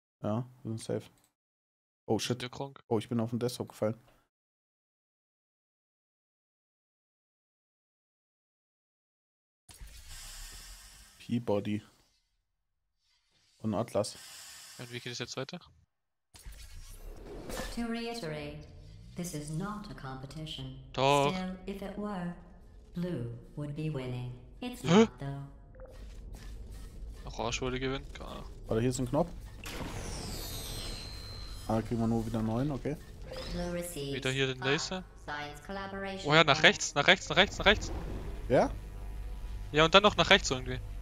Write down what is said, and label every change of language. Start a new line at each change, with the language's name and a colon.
German: Ja, wir sind safe. Oh shit. Oh, ich bin auf den Desktop gefallen. Peabody. Und Atlas. Und wie geht es jetzt weiter?
English: To reiterate, this is not a competition.
German: Doch.
English: Still, if it were, Blue would be winning. It's not though.
German: Orange würde gewinnen, keine Ahnung. Warte, hier ist ein Knopf. Ah, da kriegen wir nur wieder 9, okay. Wieder hier den Laser. Oh ja, nach rechts. Ja? Ja, und dann noch nach rechts irgendwie.